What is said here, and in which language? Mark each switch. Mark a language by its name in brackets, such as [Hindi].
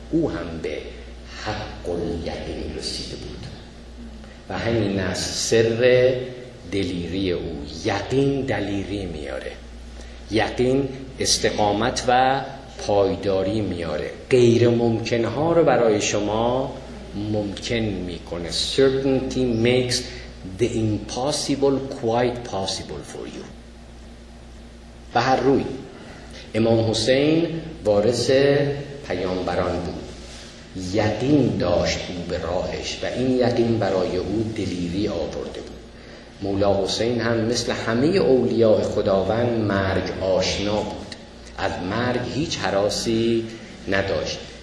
[Persian] او هم به حق الیقین رسیده بود و همین از سر دلیری او. یقین دلیری میاره، یقین استقامت و پایداری میاره، غیر ممکن ها رو برای شما ممکن میکنه. [English] Certainty makes the impossible quite possible for you. [Persian] و هر روی امام حسین وارث پیامبران بود، یقین داشت او به راهش و این یقین برای او دلیری آورده بود. مولا حسین هم مثل همه اولیاء خداوند مرگ آشنا بود، از مرگ هیچ حراسی نداشت.